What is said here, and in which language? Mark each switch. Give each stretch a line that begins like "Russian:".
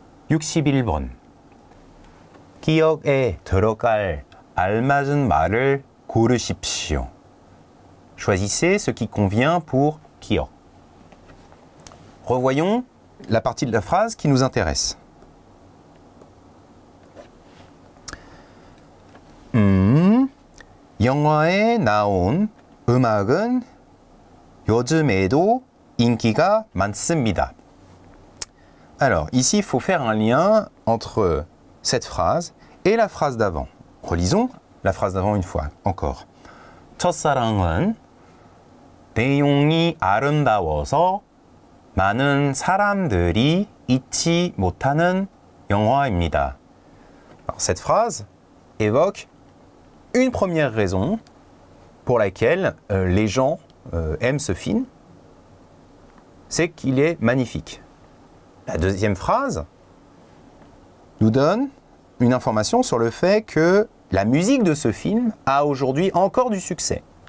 Korean: 61번 기억에 들어갈 알맞은 말을 고르십시오.
French: Choisissez ce qui convient pour 기억. Revoyons la partie de la phrase qui nous intéresse.
Korean: 영화에 나온 음악은 요즘에도 인기가 많습니다.
French: Alors, ici, il faut faire un lien entre cette phrase et la phrase d'avant. Relisons la phrase d'avant une fois, encore.
Korean: 첫사랑은 내용이 아름다워서 많은 사람들이 잊지 못하는 영화입니다.
French: Cette phrase évoque une première raison pour laquelle les gens aiment ce film, c'est qu'il est magnifique. La deuxième phrase nous donne une information sur le fait que la musique de ce film a aujourd'hui encore du succès.